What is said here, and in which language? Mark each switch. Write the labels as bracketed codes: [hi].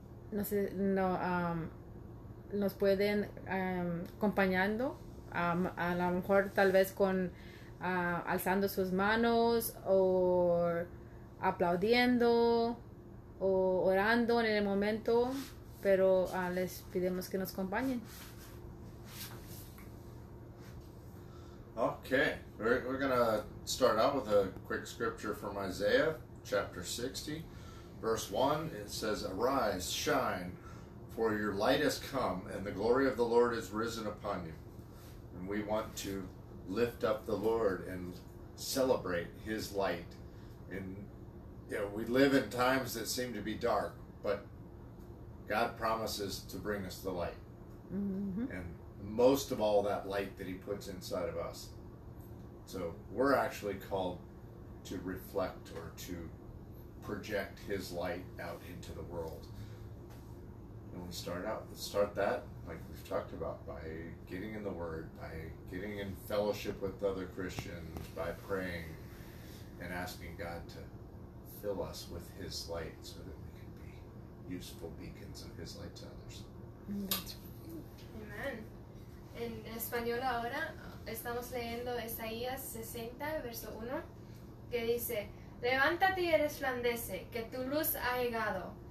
[es] No sé, no, nos pueden acompañando. A lo mejor tal vez con alzando sus manos o aplaudiendo o orando en el momento, pero les pidemos que nos acompañen. [en] Okay, we're gonna start out with a quick scripture from Isaiah chapter 60, verse 1. It says, "Arise, shine, for your light has come, and the glory of the Lord is risen upon you." We want to lift up the Lord and celebrate His light. And you know, we live in times that seem to be dark, but God promises to bring us the light. Mm-hmm. And most of all, that light that He puts inside of us. So we're actually called to reflect or to project His light out into the world. And we start out, let's start that. Like we've talked about, by getting in the Word, by getting in fellowship with other Christians, by praying and asking God to fill us with His light so that we can be useful beacons of His light to others. Amen. [es] En español ahora estamos leyendo Isaías 60, verso 1, que dice, "Levántate y resplandece, que tu luz ha llegado.